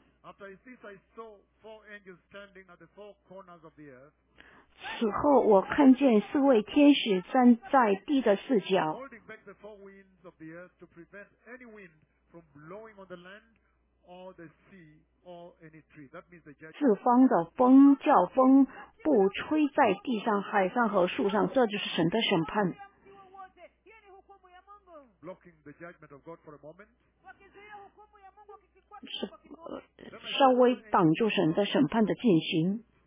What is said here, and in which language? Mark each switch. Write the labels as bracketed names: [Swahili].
[English] After this, I saw four angels standing at the four corners of the earth. [Chinese] 此后我看见四位天使站在地的四角。 [English] Holding back the four winds of the earth to prevent any wind from blowing on the land or the sea or any tree. That means the judgment. [Chinese] 四方的风叫风不吹在地上、海上和树上，这就是神的审判。 [English] Blocking the judgment of God for a moment. [Chinese] 是稍微挡住神的审判的进行。